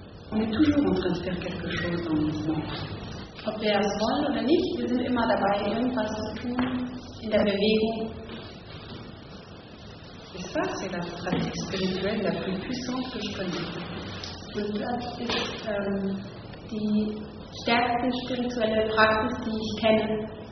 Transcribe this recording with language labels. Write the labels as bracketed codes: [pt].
[fr] On est toujours en train de faire quelque chose dans le mouvement. [de] Ob wir es wollen oder nicht, wir sind immer dabei, irgendwas zu tun in der Bewegung. [fr] Et ça, c'est la pratique spirituelle la plus puissante que je connais. [de] Und das ist die stärkste spirituelle Praxis, die ich kenne.